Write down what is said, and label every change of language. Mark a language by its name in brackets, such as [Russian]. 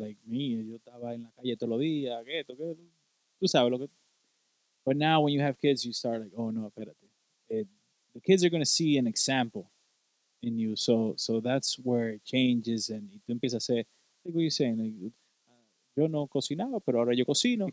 [English] Like, me, [Spanish] yo estaba en la calle todos los días. Tú sabes lo que... [English] But now when you have kids, you start like, oh, [Spanish] no, espérate. [English] The kids are going to see an example in you. So that's where it changes. And [Spanish] tú empiezas a [English] say, like what you're saying. [Spanish] Like, yo no cocinaba, pero ahora yo cocino.